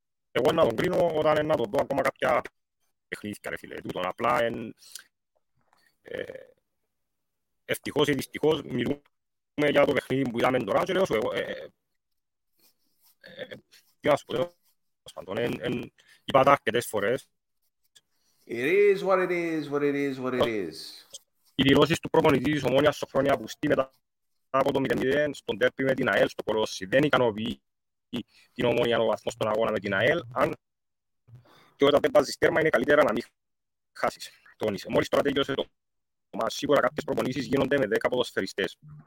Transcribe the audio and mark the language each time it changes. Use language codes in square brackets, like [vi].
[el] Εγώ να τον κρίνω όταν να το δω ακόμα κάποια παιχνίδια, ρε φίλε, τούτον απλά. Ευτυχώς ή δυστυχώς μιλούμε για το παιχνίδι που είδαμε τώρα και λέω σου εγώ. Τι να σου πω, τέλος πάντων, υπάρχει αρκετές φορές [en] It is what it is, what it is, what it is. [el] Οι δηλώσεις του προπονητή της Ομόνια Σοφρόνια Αυγουστή μετά από το 0-0 στον ντέρπι με την ΑΕΛ στο Κολόσσι δεν ικανοποιεί την Ομόνια ο βαθμός στον αγώνα με την ΑΕΛ. Αν και όταν δεν βάζεις τέρμα είναι καλύτερα να μην χάσεις, τόνισε. Μόλις τώρα τέλειωσε το μάτς, σίγουρα κάποιες προπονήσεις γίνονται με 10 ποδοσφαιριστές.